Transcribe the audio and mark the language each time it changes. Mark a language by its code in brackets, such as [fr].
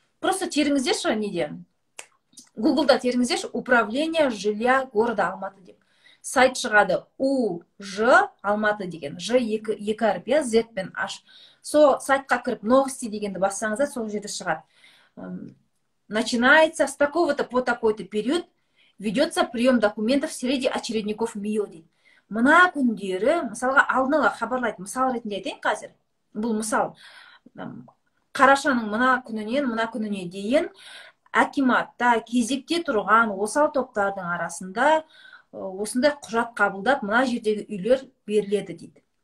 [kk] Просто теріңіздерші неде? Google-да теріңіздерші, [ru] управление жилья города Алматы [kk] деп. Сайт шығады, УЖ Алматы деген, Ж 2 әріп, Z пен H. Сол сайтқа кіріп, [ru] новости [kk] дегенді бассаңызда сол жерде шығады. [ru] Начинается с такого-то по такой-то период, ведется прием документов среди очередников МИО [kk] дейді. Мына күндері, мысалға алдын ала хабарлайды, мысал ретінде айтайын қазір, бұл мысал, қарашаның мына күніне дейін, әкиматта кезекте тұрған осал топтардың арасында осындай құжат қабылдап, мына жердегі үйлер беріледі дейді.